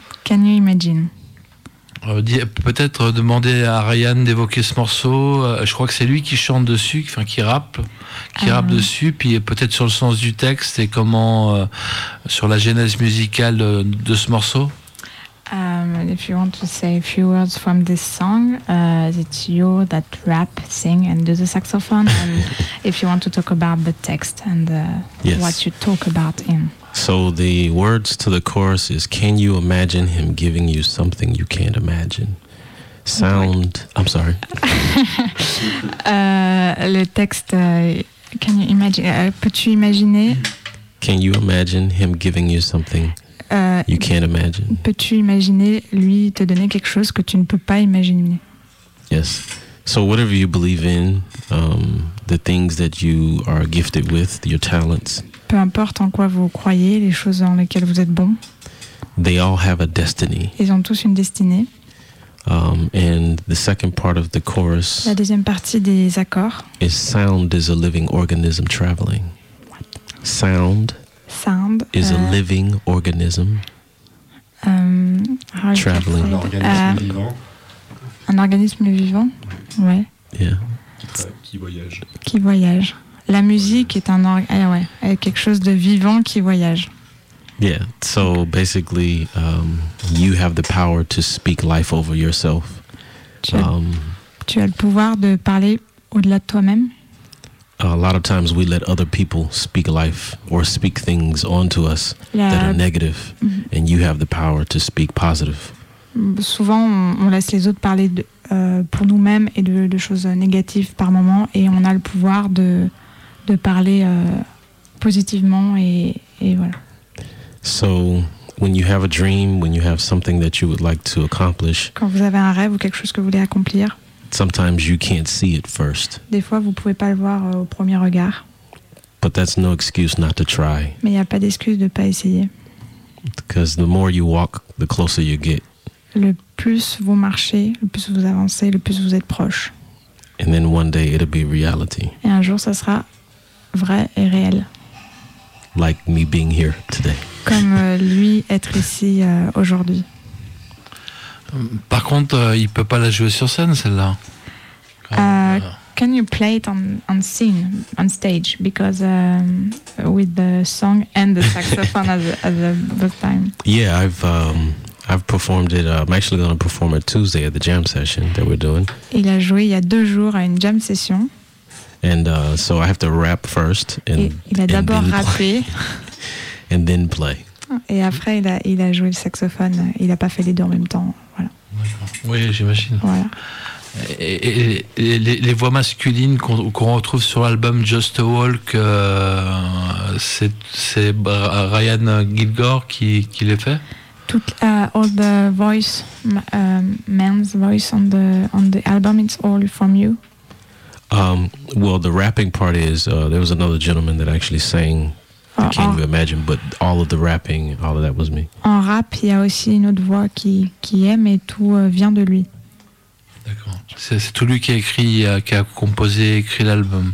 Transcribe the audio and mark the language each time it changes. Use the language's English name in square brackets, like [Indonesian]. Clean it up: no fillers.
[English] Can you imagine? [French] Peut-être demander à Ryan d'évoquer ce morceau. Je crois que c'est lui qui chante dessus, enfin qui rappe dessus, puis peut-être sur le sens du texte et comment sur la genèse musicale de ce morceau. [English] If you want to say a few words from this song, it's you that rap, sing, and do the saxophone. And if you want to talk about the text and what you talk about in. So the words to the chorus is, can you imagine him giving you something you can't imagine? Sound, I'm sorry. [French] Le texte, [English] can you imagine, [French] peux-tu imaginer? [English] Can you imagine him giving you something you can't imagine. [French] Peux-tu imaginer lui te donner quelque chose que tu ne peux pas imaginer? [English] Yes. So whatever you believe in, the things that you are gifted with, your talents. [French] Peu importe en quoi vous croyez, les choses dans lesquelles vous êtes bon. [English] They all have a destiny. [French] Ils ont tous une destinée. [English] And the second part of the chorus. [French] La deuxième partie des accords. [English] Is sound is a living organism traveling. What? Sound. Sound is a living organism traveling. [French] Un organisme vivant. Ouais. [English] Yeah. [French] Qui voyage. La musique est un quelque chose de vivant qui voyage. [English] Yeah. So basically, you have the power to speak life over yourself. [French] Tu as le pouvoir de parler au-delà de toi-même. [English] A lot of times we let other people speak life or speak things onto us that are negative, and you have the power to speak positive. [French] Souvent, on laisse les autres parler pour nous-mêmes et de choses négatives par moment, et on a le pouvoir de parler positivement et voilà. [English] So, when you have a dream, when you have something that you would like to accomplish, [French] quand vous avez un rêve ou quelque chose que vous voulez accomplir. [English] Sometimes you can't see it first. [French] Des fois, vous pouvez pas le voir au premier regard. [English] But that's no excuse not to try. [French] Mais il y a pas d'excuse de pas essayer. [English] Because the more you walk, the closer you get. [French] Le plus vous marchez, le plus vous avancez, le plus vous êtes proche. [English] And then one day it'll be reality. [French] Et un jour, ça sera vrai et réel. [English] Like me being here today. [French] Comme lui être ici aujourd'hui. Par contre, il peut pas la jouer sur scène, celle-là. [English] Can you play it on scene, on stage, because with the song and the saxophone at the time? Yeah, I've performed it. I'm actually going to perform it Tuesday at the jam session that we're doing. [French] Il a joué il y a deux jours à une jam session. [English] And so I have to rap first. [French] Il a d'abord rappé. [English] And then play. [French] Et après, il a joué le saxophone. Il a pas fait les deux en même temps. Oui, j'imagine. Voilà. Et les voix masculines qu'on retrouve sur l'album Just a Walk, c'est Ryan Gilgore qui les fait. [English] All the voice, men's voice on the album, it's all from you. Well, the rapping part is there was another gentleman that actually sang. Can you imagine? But all of the rapping, all of that was me. [French] En rap, il y a aussi une autre voix qui aime, et tout vient de lui. D'accord. C'est tout lui qui a écrit, qui a composé, écrit l'album.